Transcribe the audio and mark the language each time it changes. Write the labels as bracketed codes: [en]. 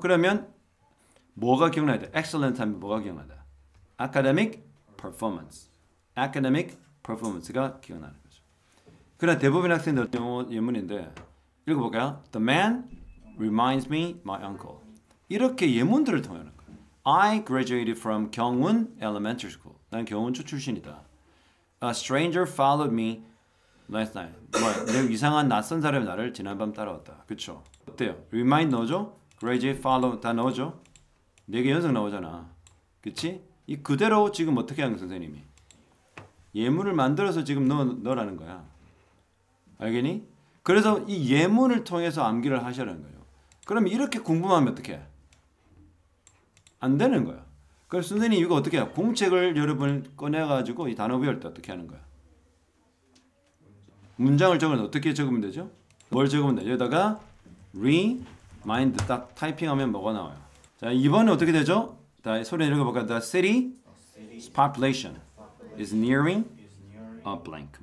[ko] 그러면 뭐가 기억나야 돼? Excellent 하면 뭐가 기억나야 돼? [en] Academic performance. Academic performance가 [ko] 기억나는 거죠. 그러나 대부분 학생들 예문인데 읽어볼까요? [en] The man reminds me my uncle. [ko] 이렇게 예문들을 통하는 거예요. [en] I graduated from 경운 elementary school. [ko] 난 경운초 출신이다. [en] A stranger followed me last night. [ko] 뭐, 내 이상한 낯선 사람이 나를 지난밤 따라왔다. 그쵸? 어때요? Remind 넣어줘? Graduate, follow 다 넣어줘. 네 개 연속 나오잖아. 그치? 이 그대로 지금 어떻게 하는 거야, 선생님이? 예문을 만들어서 지금 넣으라는 거야. 알겠니? 그래서 이 예문을 통해서 암기를 하시라는 거예요. 그럼 이렇게 궁금하면 어떻게 해? 안 되는 거야. 그럼 선생님 이거 어떻게 해? 공책을 여러분 꺼내가지고 이 단어 배울 때 어떻게 하는 거야? 문장을 적으면 어떻게 적으면 되죠? 뭘 적으면 돼? 여기다가 remind 딱 타이핑하면 뭐가 나와요? 자, 이번에 어떻게 되죠? 자, 소리 내려볼까? [en] The city's population is nearing a blank.